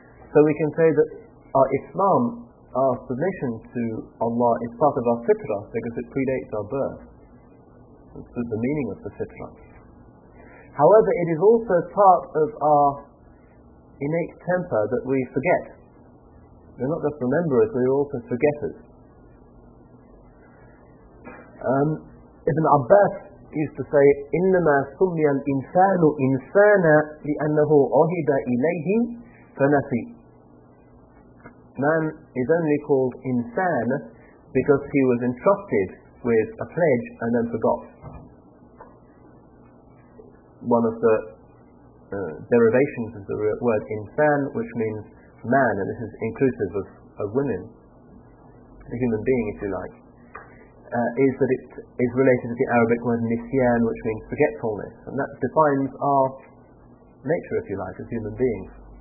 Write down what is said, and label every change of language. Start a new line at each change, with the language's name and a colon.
English: So we can say that our Islam, our submission to Allah, is part of our fitrah because it predates our birth. It's the meaning of the fitrah. However, it is also part of our innate temper that we forget. We're not just rememberers, we're also forgetters. Ibn Abbas used to say,
Arabic: إِنَّمَا سُمِّيَ الْإِنسَانُ إِنسَانَ لِأَنَّهُ أُهِدَ إِلَيْهِ فَنَسِي.
English: Man is only called insan because he was entrusted with a pledge and then forgot. One of the derivations of the word insan, which means man, and this is inclusive of women, a human being if you like, is that it is related to the Arabic word nisyan, which means forgetfulness, and that defines our nature if you like, as human beings.